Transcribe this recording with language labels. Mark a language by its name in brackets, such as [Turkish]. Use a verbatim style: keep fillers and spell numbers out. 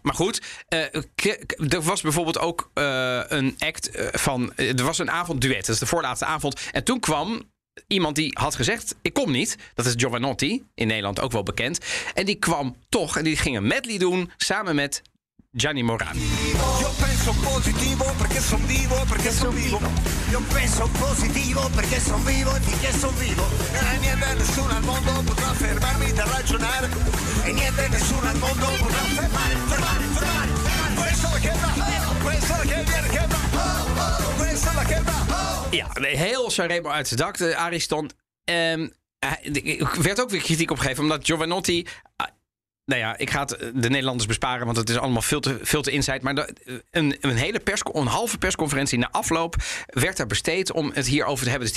[Dutch] Maar goed, uh, k- k- er was bijvoorbeeld ook uh, een act uh, van... Uh, er was een avondduet, dat is de voorlaatste avond. En toen kwam iemand die had gezegd, ik kom niet. Dat is Giovanotti, in Nederland ook wel bekend. En die kwam toch en die ging een medley doen samen met Gianni Morandi. [Italian] Io penso positivo perché son vivo, perché son vivo. Io penso positivo perché son vivo, perché son vivo. E niente nessuno al mondo potrà fermarmi da ragionare. E niente nessuno al mondo potrà fermare, fermare, fermare. Questo che va, questo che viene che va, questo che va. [Dutch] Ja, heel Sanremo uit de dak, de Ariston. Um, er werd ook weer kritiek opgegeven omdat Giovanotti... Nou ja, ik ga het de Nederlanders besparen, want het is allemaal veel te, veel te insight. Maar de, een, een hele pers, een halve persconferentie na afloop werd daar besteed om het hierover te hebben.